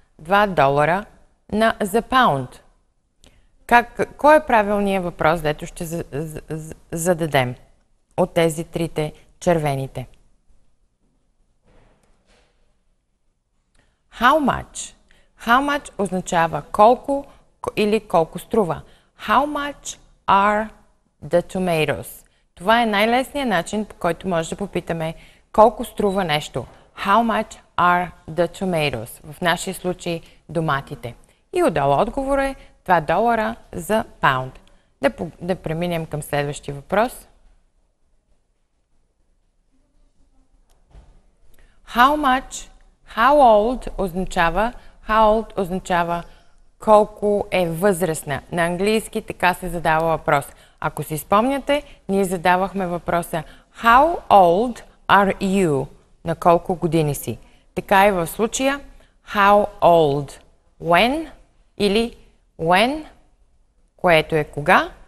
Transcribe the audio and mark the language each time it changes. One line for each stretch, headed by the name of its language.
Bulgarian: 2 долара на за паунд. Кой е правилният въпрос, дето ще зададем от тези трите червените?
English: How much? How much
Bulgarian: означава колко или колко струва.
English: How much are the tomatoes?
Bulgarian: Това е най-лесният начин, по който може да попитаме колко струва нещо.
English: How much are the tomatoes?
Bulgarian: В нашия случай доматите. И отдолу отговор е 2 долара за паунд. Да преминем към следващия въпрос.
English: How much, how old
Bulgarian: означава,
English: how old
Bulgarian: означава колко е възрастна. На английски така се задава въпрос. Ако си спомняте, ние задавахме въпроса
English: How old are you?
Bulgarian: На колко години си? Така и в случая
English: How old?
Bulgarian: When? Или When? Което е кога?